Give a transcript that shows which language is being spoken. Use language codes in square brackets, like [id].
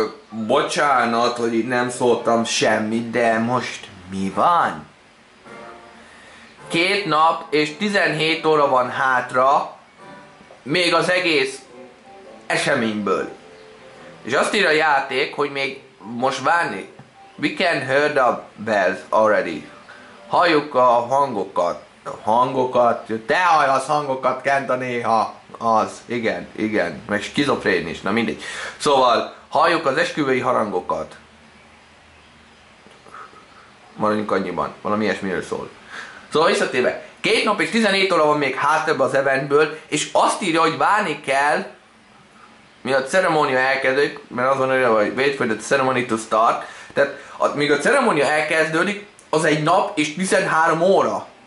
[hu] Bocsánat, hogy itt nem szóltam semmit, de most mi van? 2 nap és 17 óra van hátra, még az egész eseményből. És azt ír a játék, hogy még most várni. [en] We can hear the bells already. [hu] Halljuk a hangokat. Hangokat? Te hallasz hangokat, Kenta, néha. Az, igen, igen. Meg skizofrén is, na mindegy. Szóval, halljuk az esküvői harangokat. Maradjunk annyiban, valami ilyesmiről szól. Szóval visszatérve, 2 nap és 17 óra van még hátrább az eventből, és azt írja, hogy várni kell, mielőtt a ceremónia elkezdődik, mert az van olyan, hogy [en] wait for the ceremony to start, [hu] tehát míg a ceremónia elkezdődik, az egy nap és 13 óra.